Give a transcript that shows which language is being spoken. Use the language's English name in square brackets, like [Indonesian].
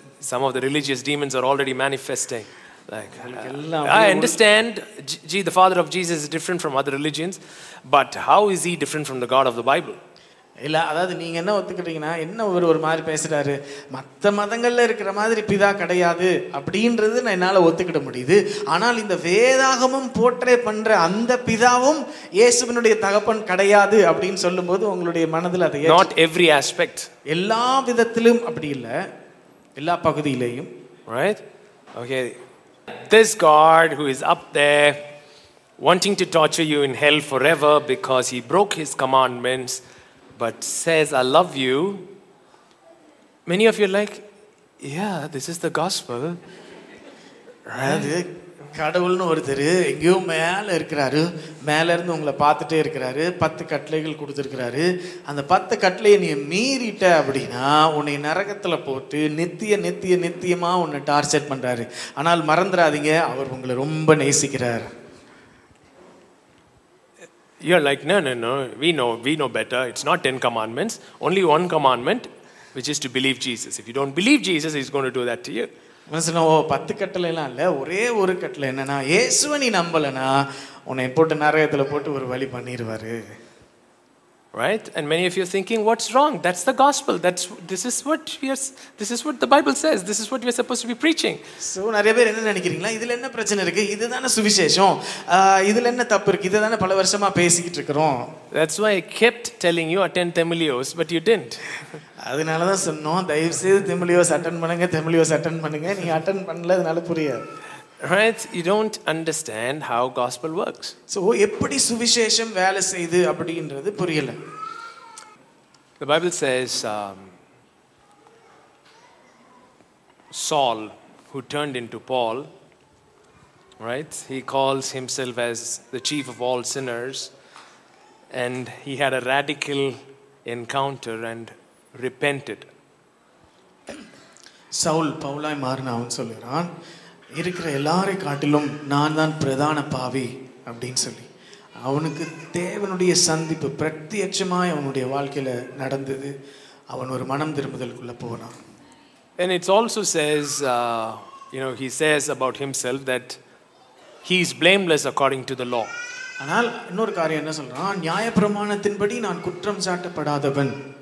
[English] Some of the religious demons are already manifesting. I understand, the father of Jesus is different from other religions, but how is he different from the God of the Bible? [Tamil] இல்ல அதாவது நீங்க என்ன ஒத்துக்கிட்டீங்கனா, என்ன ஒரு ஒரு மாதிரி பேசுறாரு, மத்த மதங்கள்ல இருக்கிற மாதிரி பிதா கிடையாது அப்படின்றது நான் என்னால ஒத்துக்கிட முடியுது. ஆனால் இந்த வேதாகமும் போற்றே பண்ற அந்த பிதாவும் இயேசுவினுடைய தகப்பன் கிடையாது அப்படின்னு சொல்லும் போது உங்களுடைய மனதில் அதை, [English] not every aspect, [Tamil] எல்லா விதத்திலும் அப்படி இல்லை, எல்லா பகுதியிலேயும். [English] Right? Okay. This God who is up there wanting to torture you in hell forever because he broke his commandments but says I love you. Many of you are like, yeah, this is the gospel. [Tamil] அது கடவுள்னு ஒருத்தர் எங்கேயோ மேலே இருக்கிறாரு, மேலே இருந்து உங்களை பார்த்துட்டே இருக்கிறாரு, பத்து கட்டளைகள் கொடுத்துருக்கிறாரு, அந்த பத்து கட்டளையை நீ மீறிட்ட அப்படின்னா உன்னை நரகத்தில் போட்டு நித்திய நித்திய நித்தியமாக உன்னை டார்ச்சர் பண்ணுறாரு. ஆனால் மறந்துடாதீங்க, அவர் உங்களை ரொம்ப நேசிக்கிறார். [English] You're like, no, we know better. It's not 10 commandments, only one commandment, which is to believe Jesus. If you don't believe Jesus, he's going to do that to you. [Tamil] மனசுனா பத்து கட்டளை எல்லாம் இல்லை, ஒரே ஒரு கட்டளை என்னன்னா, இயேசுவை நீ நம்பலைன்னா உன்னை போட்டு நரகத்தில் போட்டு ஒரு வழி பண்ணிடுவாரு. [English] Right? And many of you are thinking, what's wrong? That's the gospel. This is what the Bible says. This is what we are supposed to be preaching. [Tamil] So, நிறைய பேர் என்ன நினைக்கிறீங்களா, இதுல என்ன பிரச்சனை இருக்கு, இதுதானே சுவிசேஷம், இதுல என்ன தப்பு இருக்கு, இதுதானே பல வருஷமா பேசிக்கிட்டு இருக்கிறோம். [English] That's why I kept telling you attend Themelios, but you didn't. [Tamil] அதனாலதான் சொன்னோம், தயவு செய்து Themelios attend பண்ணுங்க, Themelios attend பண்ணுங்க. நீங்க attend பண்ணல, அதனால புரியாது. [English] Right? You don't understand how gospel works. [Tamil] So eppadi suvisesham vela seidhu apdindrathu puriyala. [English] The Bible says Saul, who turned into Paul, right, he calls himself as the chief of all sinners, and he had a radical encounter and repented. [Tamil] Saul paulai maarnaavun solliran, இருக்கிற எல்லாரை காட்டிலும் நான் தான் பிரதான பாவி அப்படின்னு சொல்லி அவனுக்கு தேவனுடைய சந்திப்பு பிரத்யட்சமாய் அவனுடைய வாழ்க்கையில நடந்தது. அவன் ஒரு மனம் திரும்புதலுக்குள்ள போனான். [English] And it also says he says about himself that he is blameless according to the law. [Tamil] ஆனால் இன்னொரு காரியம் என்ன சொல்றான், நியாயப்பிரமாணத்தின்படி நான் குற்றம் சாட்டப்படாதவன்.